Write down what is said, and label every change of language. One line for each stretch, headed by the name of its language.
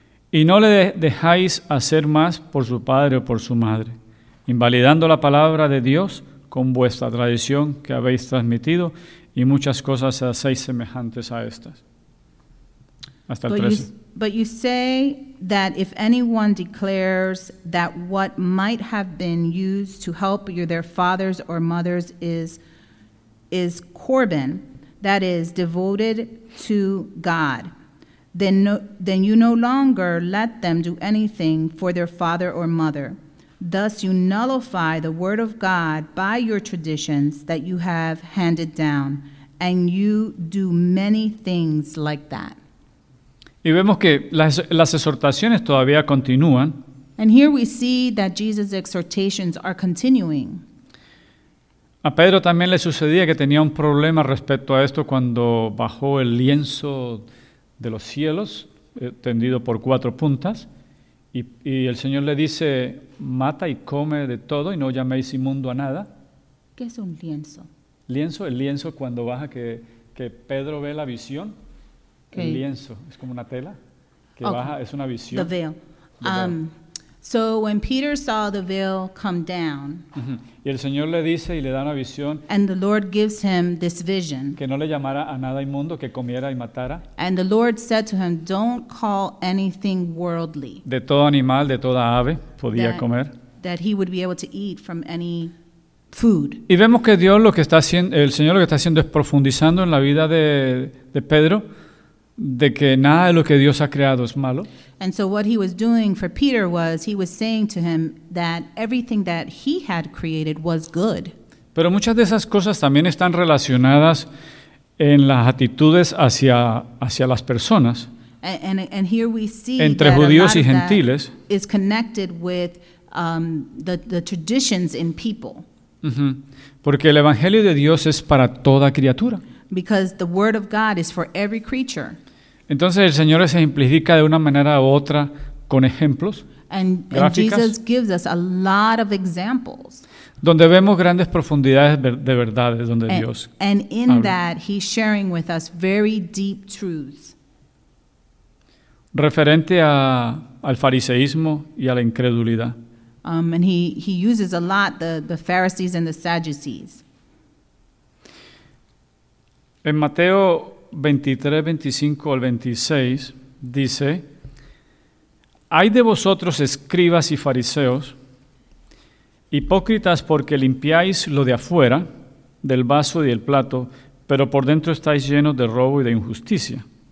Spanish: Y no le dejáis hacer más por su padre o por su madre, invalidando la palabra de Dios con vuestra tradición que habéis transmitido, y muchas cosas hacéis semejantes a estas. Hasta el 13.
English: But you say that if anyone declares that what might have been used to help their fathers or mothers is Corban, that is, devoted to God, then you no longer let them do anything for their father or mother. Thus you nullify the word of God by your traditions that you have handed down. And you do many things like that.
Spanish: Y vemos que las exhortaciones todavía continúan.
English: And here we see that Jesus' exhortations are continuing.
Spanish: A Pedro también le sucedía que tenía un problema respecto a esto cuando bajó el lienzo de los cielos, tendido por cuatro puntas. Y el Señor le dice, mata y come de todo y no llaméis inmundo a nada. ¿Qué es un lienzo? Lienzo, el lienzo cuando baja que Pedro ve la visión, okay. El lienzo es como una tela que okay. Baja, es una visión.
English: The veil. So when Peter saw the veil come down,
Spanish: y el Señor le dice y le da una visión,
English: and the Lord gives him this vision,
Spanish: que no le llamara a nada inmundo, que comiera y matara.
English: And the Lord said to him, don't call anything worldly.
Spanish: De todo animal, de toda ave, podía comer.
English: That he would be able to eat from any food.
Spanish: Y vemos que Dios lo que está haciendo, el Señor lo que está haciendo es profundizando en la vida de Pedro, de que nada de lo que Dios ha creado es malo.
English: And so what he was doing for Peter was he was saying to him that everything that he had created was good.
Spanish: Pero muchas de esas cosas también están relacionadas en las actitudes hacia las personas.
English: And here we see
Spanish: entre judíos y gentiles
English: is connected with the traditions in people.
Spanish: Porque el Evangelio de Dios es para toda criatura.
English: Because the word of God is for every creature.
Spanish: Entonces el Señor se simplifica de una manera u otra con ejemplos gráficos.
English: And Jesus gives us a lot of examples.
Spanish: Donde vemos grandes profundidades de verdades donde
English: and,
Spanish: Dios
English: and in
Spanish: habla.
English: That he's sharing with us very deep truths.
Spanish: Referente a, al fariseísmo y a la incredulidad.
English: And he uses a lot the Pharisees and the Sadducees.
Spanish: En Mateo 23, 25 al 26 dice, hay de vosotros escribas y fariseos, hipócritas porque limpiáis lo de afuera, del vaso y del plato, pero por dentro estáis llenos de robo y de injusticia.